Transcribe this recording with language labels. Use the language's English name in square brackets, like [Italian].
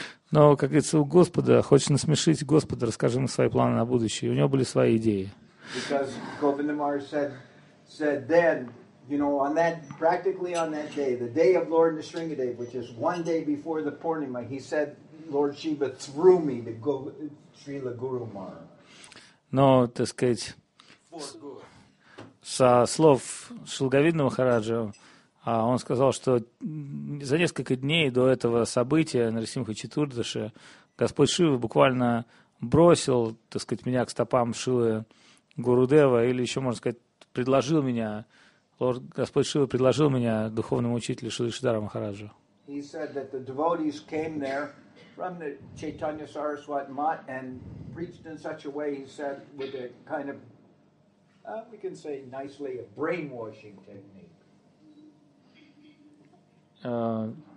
[Russian] Но, как говорится, у Господа, хочешь насмешить Господа, расскажи ему свои планы на будущее. У него были свои идеи. [English] You know, on that, practically on that day, the day of Lord Nrisimhadev, which is one day before the Purnima, he said, Lord Shiva threw me to go Srila Guru Maharaj. [Russian] Но, так сказать, со слов Шрилы Говинды Махараджа, он сказал, что за несколько дней до этого события Нарасимха Четурдаши Господь Шива буквально бросил, так сказать, меня к стопам Шилы Гурудева, или еще, можно сказать, предложил меня. Лорд Господь Шива предложил меня духовному учителю Шрилы Шридхара Махараджу. [English] He said that the devotees came there from the Chaitanya Saraswat Mat and preached in such a way, he said, with a kind of, we can say nicely, a brainwashing technique.